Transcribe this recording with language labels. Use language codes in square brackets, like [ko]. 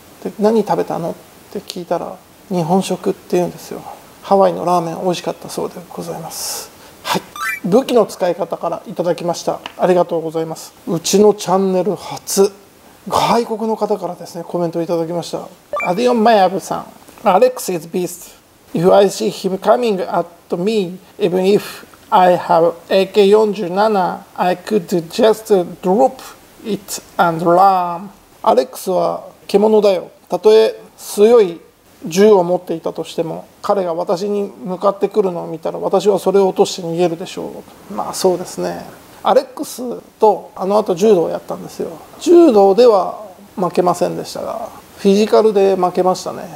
[ja] で、何食べたのって聞いたら、日本食って言うんですよ。ハワイのラーメン美味しかったそうでございます。はい、武器の使い方からいただきました。ありがとうございます。うちのチャンネル初、外国の方からですねコメントいただきました。アディオンマヤブさん。アレックス [en] is beast. If I see him coming at me, even if I have AK-47, I could just drop it and run. [ja] アレックスは獣だよ。たとえ強い銃を持っていたとしても、彼が私に向かってくるのを見たら、私はそれを落として逃げるでしょう。まあそうですね。アレックスとあの後柔道をやったんですよ。柔道では負けませんでしたが、フィジカルで負けましたね。